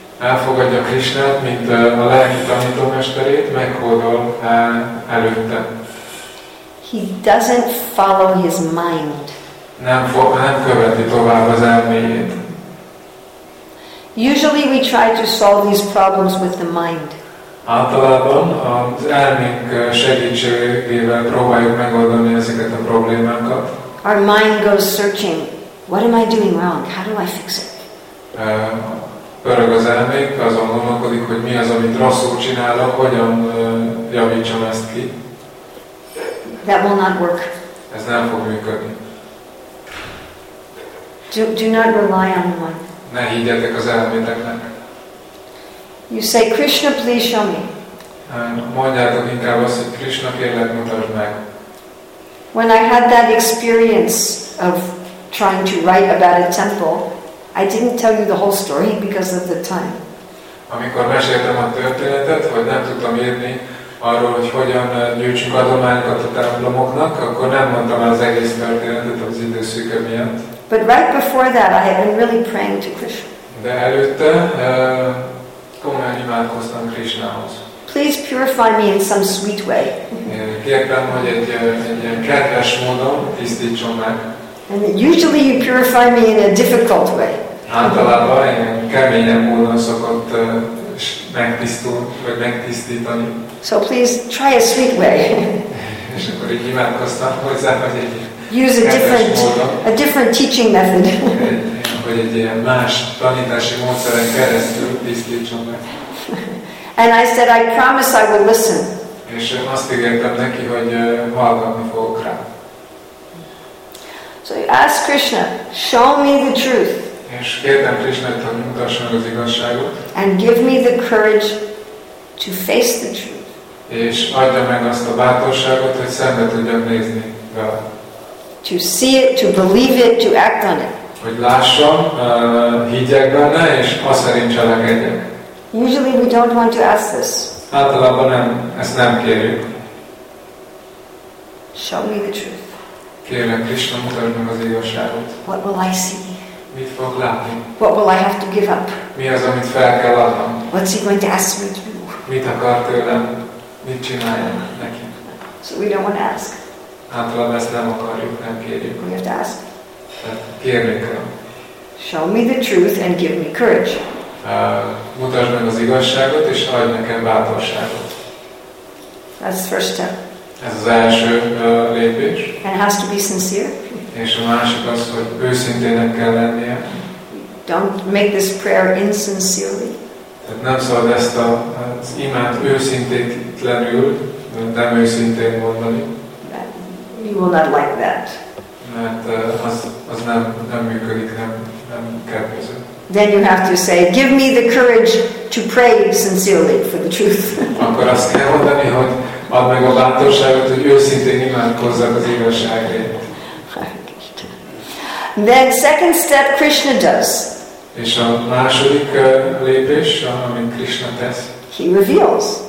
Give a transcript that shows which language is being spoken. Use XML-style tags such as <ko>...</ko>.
<hu>Elfogadja Krishnát, mint a lelki tanítómesterét, meghódol előtte.</hu> <en>He doesn't follow his mind.</en> <hu>Nem követi tovább az elméjét.</hu> <en>Usually we try to solve these problems with the mind.</en> <hu>Általában az elménk segítségével próbáljuk megoldani ezeket a problémákat.</hu> <en>Our mind goes searching. What am I doing wrong? How do I fix it?</en> <hu>Pörög az elménk, azon gondolkodik, hogy mi az, amit rosszul csinálok, hogyan javítsam ezt ki.</hu> <en>That will not work.</en> <hu>Ez nem fog működni.</hu> <en>Do not rely on the mind.</en> <hu>Ne higgyetek az elméteknek.</hu> <en>You say, Krishna, please show me.</en> <hu>Mondjátok inkább azt, hogy Krishna, kérlek, mutasd meg.</hu> <en>When I had that experience of trying to write about a temple, I didn't tell you the whole story because of the time.</en> <hu>Amikor meséltem a történetet, hogy nem tudtam írni arról, hogy hogyan gyűjtsünk adományokat a templomoknak, akkor nem mondtam az egész történetet az időszűke miatt.</hu> <en>But right before that, I had been really praying to Krishna.</en> <hu>De előtte komolyan imádkoztam Krishnához.</hu> <en>Please purify me in some sweet way.</en> <hu>Kértem, hogy egy kedves módon tisztítson meg.</hu> <en>And usually you purify me in a difficult way.</en> <hu>általában ilyen keményebb módon szokott megtisztul, vagy megtisztítani.</hu> <en>So please try a sweet way.</en> <hu>És akkor így imádkoztam hozzá, hogy egy</hu> <en>use a different teaching method.</en> <hu>Hogy egy ilyen más tanítási módszeren keresztül tisztítson meg.</hu> <en>And I said, I promise I will listen.</en> <hu>És én azt ígértem neki, hogy hallgatni fogok rá.</hu> <en>So you ask Krishna, show me the truth.</en> <hu>És kértem Krishnát, hogy mutasson az igazságot.</hu> <en>And give me the courage to face the truth.</en> <hu>És adja meg azt a bátorságot, hogy szembe tudjam nézni vele.</hu> <en>To see it, to believe it, to act on it.</en> <hu>Hogy lássam, higgyek benne, és az szerint cselekedjek.</hu> <en>Usually we don't want to ask this.</en> <hu>Általában nem, ezt nem kérjük.</hu> <en>Show me the truth.</en> <hu>Kérlek, Krishna, mutasd meg az igazságot.</hu> <en>What will I see?</en> <hu>Mit fog látni?</hu> <en>What will I have to give up?</en> <hu>Mi az, amit fel kell adnom?</hu> <en>What's he going to ask me to do?</en> <hu>Mit akar tőlem? Mit csináljon neki?</hu> <en>So we don't want to ask.</en> <hu>Általában ezt nem akarjuk, nem kérjük.</hu> <en>We have to ask.</en> <hu>Kérni kell.</hu> <en>Show me the truth and give me courage.</en> <hu>Mutasd meg az igazságot, és adj nekem bátorságot.</hu> <en>That's the first step.</en> <hu>Ez az első lépés.</hu> <en>And it has to be sincere.</en> <hu>És a másik az, hogy őszintének kell lennie.</hu> <en>Don't make this prayer insincerely.</en> <hu>Tehát nem szabad ezt az imád őszintétlenül, nem őszintén mondani.</hu> <en>You will not like that.</en> <hu>Mert az nem működik, nem kedvező.</hu> <en>Then you have to say, give me the courage to pray sincerely for the truth.</en> <hu>Akkor azt kell mondani, hogy add meg a bátorságot, hogy őszintén imádkozzak az igazságért.</hu> <en>Then second step Krishna does.</en> <hu>És a második lépés, amit Krishna tesz.</hu> <en>He reveals.</en>